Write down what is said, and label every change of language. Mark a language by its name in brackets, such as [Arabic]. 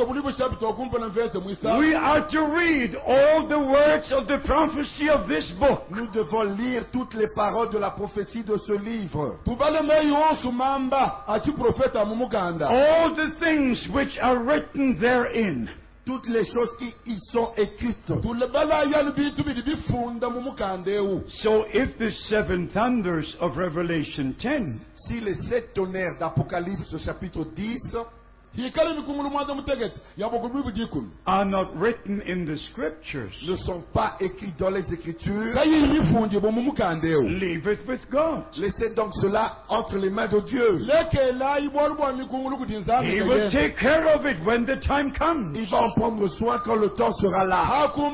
[English] We are to read all the words of the prophecy of this book. [French] Nous devons lire toutes les paroles de la prophétie de ce livre. [English] All the things which are written therein. [French] Toutes les choses qui y sont écrites. [English] So if the seven thunders of Revelation 10. [French] Si les sept tonnerres d'Apocalypse chapitre 10. [English] Are not written in the scriptures. [French] Ne sont pas écrits dans les écritures. [English] Leave it with God. [French] Laissez donc cela entre les mains de Dieu. [English] He will take care of it when the time comes. [French] Il va en prendre soin quand le temps sera là.